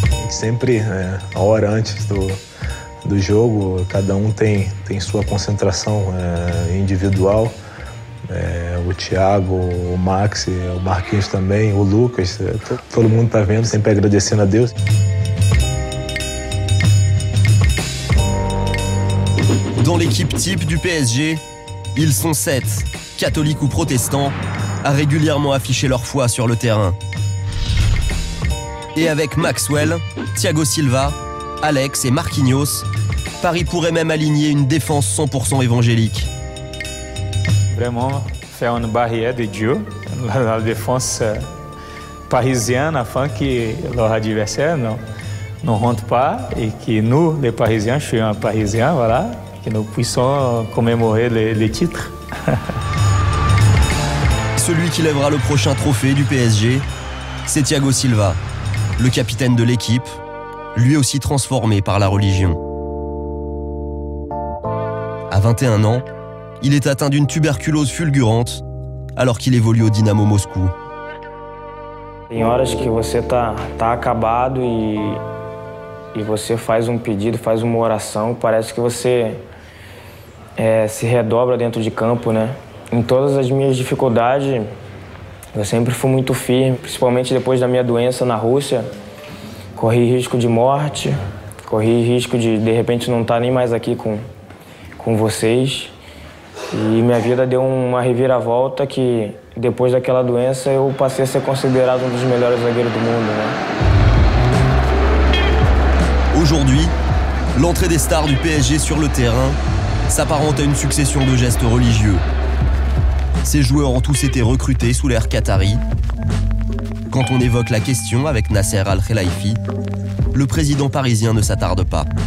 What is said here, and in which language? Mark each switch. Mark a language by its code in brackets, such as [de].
[pt] Sempre a hora antes do jogo, cada tem sua concentração individual. O Thiago, o Max, o Marquinhos também, o Lucas, todo mundo está vendo, sempre agradecendo a Deus. [fr] Dans l'équipe type du PSG, ils sont 7, catholiques ou protestants, à régulièrement afficher leur foi sur le terrain. Et avec Maxwell, Thiago Silva, Alex et Marquinhos, Paris pourrait même aligner une défense 100% évangélique. Vraiment, faire une barrière de Dieu dans la défense parisienne afin que leurs adversaires ne rentrent pas et que nous, les Parisiens, je suis un Parisien, voilà, que nous puissions commémorer les titres. Celui qui lèvera le prochain trophée du PSG, c'est Thiago Silva. Le capitaine de l'équipe, lui aussi transformé par la religion. À 21 ans, il est atteint d'une tuberculose fulgurante alors qu'il évolue au Dynamo Moscou. [pt] Tem horas que você tá acabado e você faz um pedido, faz uma oração, parece que você se redobra dentro de campo, né? Em todas as minhas dificuldades, eu sempre fui muito firme, principalmente depois da minha doença na Rússia. Corri risco de morte, corri risco de repente, não estar nem mais aqui com vocês. E minha vida deu uma reviravolta que, depois daquela doença, eu passei a ser considerado um dos melhores zagueiros do mundo, né? [fr] Aujourd'hui, l'entrée des stars du PSG sur le terrain s'apparente à une succession de gestes religieux. Ces joueurs ont tous été recrutés sous l'ère qatari. Quand on évoque la question avec Nasser Al-Khelaifi, le président parisien ne s'attarde pas.